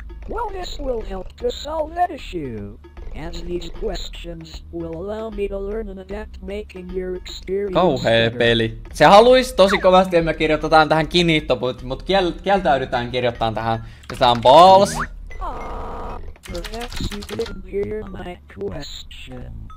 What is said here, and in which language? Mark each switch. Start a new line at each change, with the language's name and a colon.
English: Well, this will help to solve that issue, as these questions will allow me to learn and adapt making your experience.
Finnish: Kauhea peli. Se haluis tosi kovasti, että me kirjoitetaan tähän kiinniitto, mut kieltäydytään kirjoittamaan tähän. Ja tää on balls.
English: Perhaps you didn't hear my question.